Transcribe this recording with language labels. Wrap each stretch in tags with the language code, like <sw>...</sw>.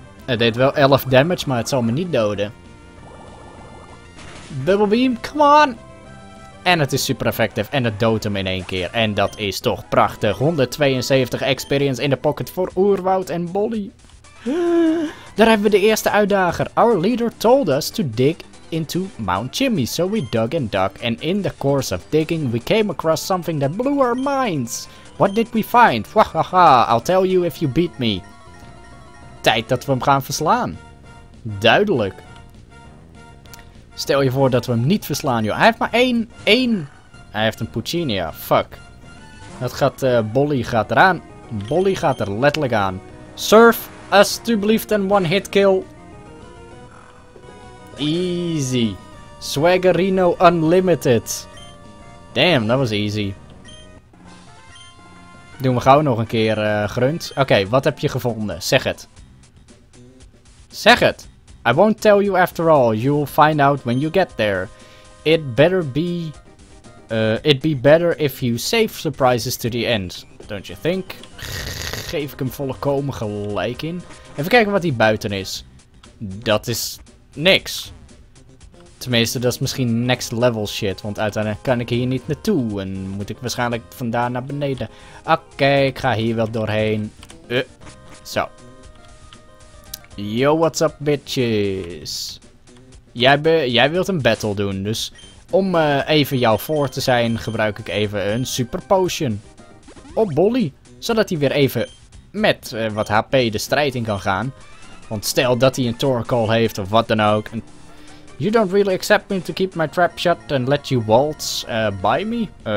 <nl>Het deed wel 11 damage, maar het zal me niet doden. Bubble Beam,</nl> <en>come on!</en> <nl>En het is super effectief en het doodt hem in één keer. En dat is toch prachtig. 172 experience in de pocket voor Oerwoud en Bolly. Daar hebben we de eerste uitdager.</nl> <en>Our leader told us to dig into Mount Chimney. So we dug and dug. And in the course of digging, we came across something that blew our minds. What did we find? Wahaha, I'll tell you if you beat me.</en> <nl>Tijd dat we hem gaan verslaan. Duidelijk. Stel je voor dat we hem niet verslaan, joh. Hij heeft maar één. Hij heeft een Puccinia. Fuck. Dat gaat, Bolly gaat eraan. Bolly gaat er letterlijk aan. Surf. Alsjeblieft een one hit kill.</nl> <en>Easy. Swaggerino Unlimited.</en> <nl>Damn, dat was easy. Doen we gauw nog een keer grunt. Oké, wat heb je gevonden? Zeg het. Zeg het.</nl> <en>I won't tell you after all. You'll find out when you get there. It'd be better if you save surprises to the end. Don't you think?</en> <nl>Geef ik hem volkomen gelijk in. Even kijken wat hier buiten is. Dat is niks. Tenminste, dat is misschien</nl> <en>next level shit.</en> <nl>Want uiteindelijk kan ik hier niet naartoe. En moet ik waarschijnlijk vandaar naar beneden. Oké, ik ga hier wel doorheen. Zo.</nl> <en>Yo, what's up, bitches?</en> <nl>Jij wilt een battle doen. Dus om even jou voor te zijn, gebruik ik even een super potion. Op Bolly. Zodat hij weer even... met wat HP de strijd in kan gaan. Want stel dat hij een Torkoal heeft of wat dan ook.</nl> <en>And you don't really accept me to keep my trap shut and let you waltz by me?</en>